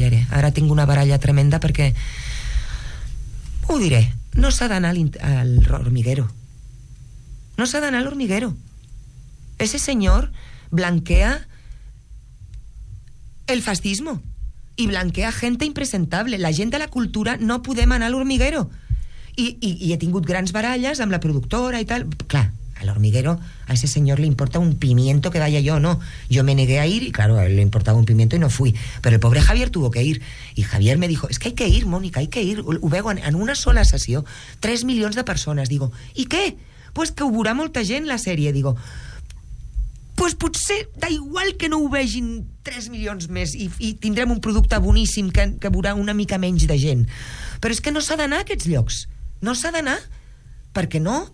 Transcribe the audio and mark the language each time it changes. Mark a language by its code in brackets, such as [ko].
[ca] Ara tinc una baralla tremenda perquè... Ho diré. No s'ha d'anar al hormiguero. No s'ha d'anar a l'hormiguero. [es] Ese senyor blanquea el fascismo i blanquea gente impresentable. [ca] La gent de la cultura no podem anar a l'hormiguero. I he tingut grans baralles amb la productora i tal. Clar, a l'hormiguero a ese senyor li importa un pimiento [es] que vaya yo, [ca] no. [es] Yo me negué a ir y claro, le importaba un pimiento y no fui. Pero el pobre Javier tuvo que ir. Y Javier me dijo, es que hay que ir, Mónica, hay que ir. [ca] Ho veu en una sola sessió. 3 milions de persones. [es] Digo, ¿y qué? [ca] Pues que ho veurà molta gent, la sèrie. Digo, pues potser d'igual que no ho vegin 3 milions més i tindrem un producte boníssim que veurà una mica menys de gent. Però és que no s'ha d'anar a aquests llocs. No s'ha d'anar. Per què no?